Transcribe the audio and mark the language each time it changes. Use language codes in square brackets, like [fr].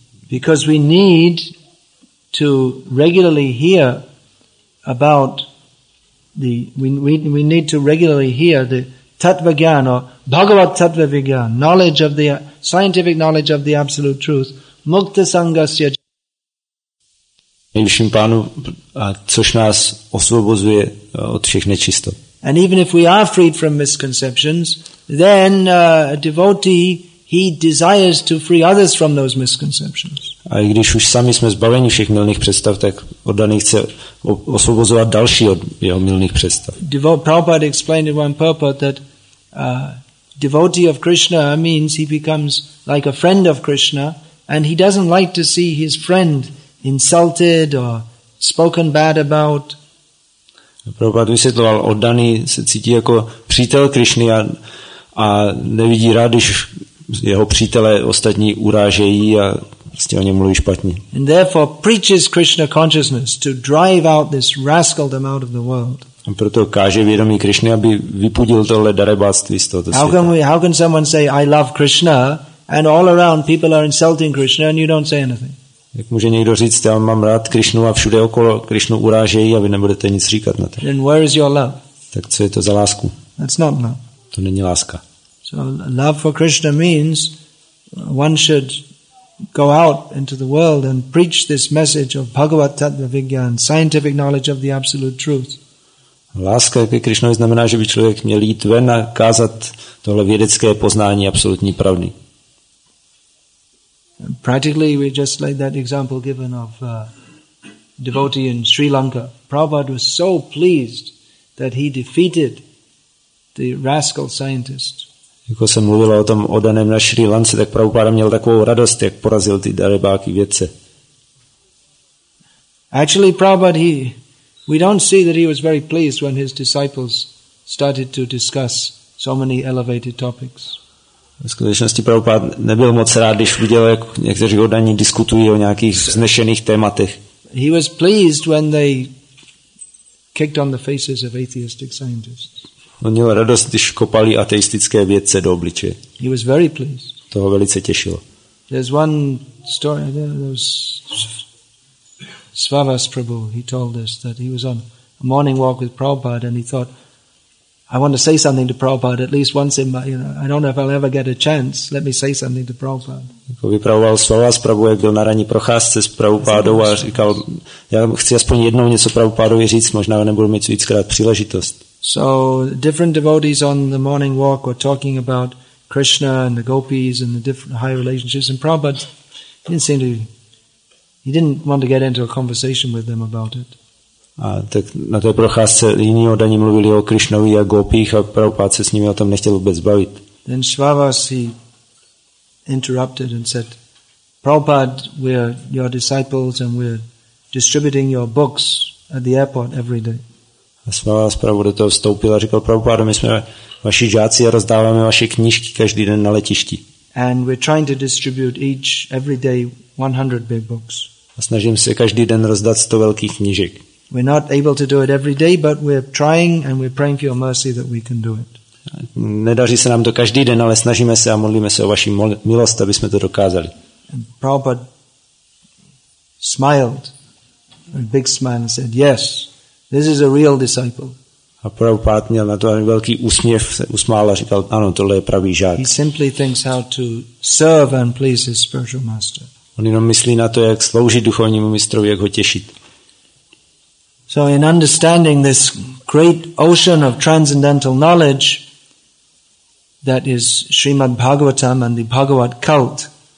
[en] Because we need to regularly hear about the tattva-gyan or Bhagavat tattva-vigyan, knowledge of the scientific knowledge of the absolute truth, mukta-sangasya. [cs] Nejvyšším pánu, což nás osvobozuje od všech nečistot. [en] And even if we are freed from misconceptions, then a devotee, he desires to free others from those misconceptions. [cs] A i když už sami jsme zbaveni všech mylných představ, tak oddaný chce osvobozovat další od jeho mylných představ. [en] Prabhupada explained in one purport that devotee of Krishna means he becomes like a friend of Krishna, and he doesn't like to see his friend insulted or spoken bad about. [cs] Prabhupada vysvětloval, oddaný se cítí jako přítel Krišny a nevidí rád, když jeho přítelé ostatní urážejí a prostě o něm mluví špatně. [en] And therefore preaches Krishna consciousness to drive out this rascaldom out of the world. [cs] A proto káže vědomí Krišny, aby vypudil tohle darebáctví z tohoto světa. [en] How can someone say I love Krishna and all around people are insulting Krishna and you don't say anything? [cs] Jak může někdo říct, já mám rád Krišnu a všude okolo Krišnu urážejí a vy nebudete nic říkat na to. [en] Then where is your love? [cs] Tak co je to za lásku? [en] That's not love. [cs] To není láska. [en] So love for Krishna means one should go out into the world and preach this message of Bhagavat Tattva Vigyan, scientific knowledge of the absolute truth. [cs] Láska ke Krišnovi znamená, že by člověk měl jít ven a kázat tohle vědecké poznání absolutní pravdy. [en] Practically, we just like that example given of a devotee in Sri Lanka. Prabhupada was so pleased that he defeated the rascal scientist. [cs] Jako jsem mluvil o tom odaném na Sri Lance, tak Prabhupada měl takovou radost, jak porazil ty darebáky vědce. [en] Actually, Prabhupada, we don't see that he was very pleased when his disciples started to discuss so many elevated topics. [cs] V skutečnosti Prabhupád nebyl moc rád, když viděl, jak někteří oddaní diskutují o nějakých vznešených tématech. [en] He was pleased when they kicked on the faces of atheistic scientists. [cs] On měl radost, když kopali ateistické vědce do obličeje. [en] He was very pleased. [cs] To ho velice těšilo. [en] There's one story, there was Svavas Prabhu, he told us that he was on a morning walk with Prabhupada and he thought, I want to say something to Prabhupada at least once in my, you know, I don't know if I'll ever get a chance. Let me say something to Prabhupada. [cs] Vypravoval Svavas Prabhu, jak byl na ranní procházce s Prabhupádou a říkal, já chci aspoň jednou něco Prabhupádovi říct, možná nebudu mít víckrát příležitost. [en] So different devotees on the morning walk were talking about Krishna and the gopis and the different high relationships, and Prabhupada didn't want to get into a conversation with them about it. [cs] A tak na té procházce jiní odaní mluvili o Krišnovi a gopích a Prabhupada se s nimi o tom nechtěl vůbec bavit. [en] Then Svavas interrupted and said, Prabhupada, we're your disciples and we're distributing your books at the airport every day. [cs] Svala zprávu do toho vstoupil a říkal, Prabhupáda, my jsme vaši žáci a rozdáváme vaše knížky každý den na letišti. [en] And we're trying to distribute each every day 100 big books. [cs] A snažím se každý den rozdat 100 velkých knížek. [en] We're not able to do it every day, but we're trying and we're praying for your mercy that we can do it. [cs] Nedaří se nám to každý den, ale snažíme se a modlíme se o vaši milost, aby jsme to dokázali. [en] And Prabhupada smiled, a big smile, and said, "Yes, this is a real disciple." [cs] A Prabhupád měl na to velký úsměv, se usmál a říkal, ano, tohle je pravý žák. [en] He simply thinks how to serve and please his spiritual master. [cs] On jenom myslí na to, jak sloužit duchovnímu mistrovi, jak ho těšit. [en] So in understanding this great ocean of transcendental knowledge that is Srimad Bhagavatam and the Bhagavat cult,